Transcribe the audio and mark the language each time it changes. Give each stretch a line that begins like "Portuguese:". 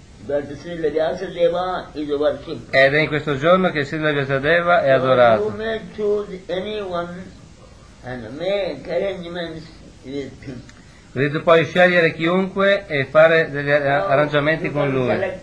Italian: Ed è in questo giorno che Srila Vyasadeva è adorato.
English: You may choose anyone and make arrangements with him.
Italian: Quindi tu puoi scegliere chiunque e fare degli arrangiamenti con lui.